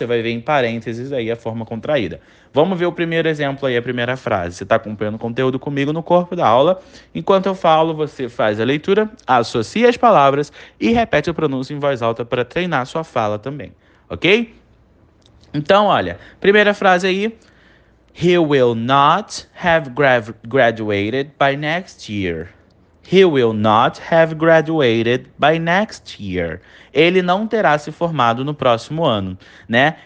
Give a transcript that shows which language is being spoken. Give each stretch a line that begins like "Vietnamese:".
Portuguese: Você vai ver em parênteses aí a forma contraída. Vamos ver o primeiro exemplo aí, a primeira frase. Você está acompanhando o conteúdo comigo no corpo da aula. Enquanto eu falo, você faz a leitura, associa as palavras e repete a pronúncia em voz alta para treinar a sua fala também, ok? Então, olha, primeira frase aí.
English: He will not have graduated by next year. He will not have graduated by next year.
Portuguese: Ele não terá se formado no próximo ano, né?